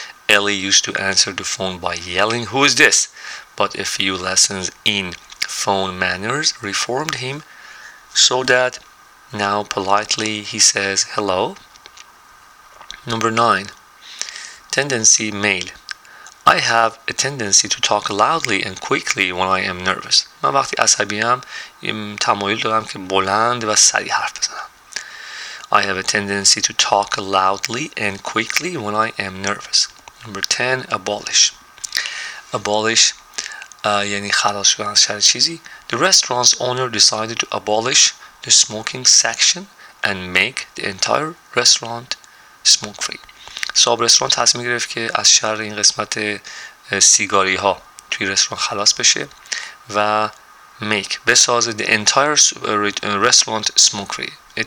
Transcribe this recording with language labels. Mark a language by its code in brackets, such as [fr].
[en] Ellie used to answer the phone by yelling who is this? But a few lessons in phone manners reformed him so that now politely he says hello. Number 9. Tendency male. I have a tendency to talk loudly and quickly when I am nervous. [fa] من وقتی عصبی ام تمایل دارم که بلند و سریع حرف بزنم. [en] I have a tendency to talk loudly and quickly when I am nervous. Number 10. Abolish. [fa] Abolish یعنی خلاص شدن از هر چیزی. [en] The restaurant's owner decided to abolish the smoking section and make the entire restaurant smoke free. [fa] صاحب رستوران تصمیم گرفت که از شر این قسمت سیگاری ها توی رستوران خلاص بشه و make بسازه [en] the entire restaurant smoke free.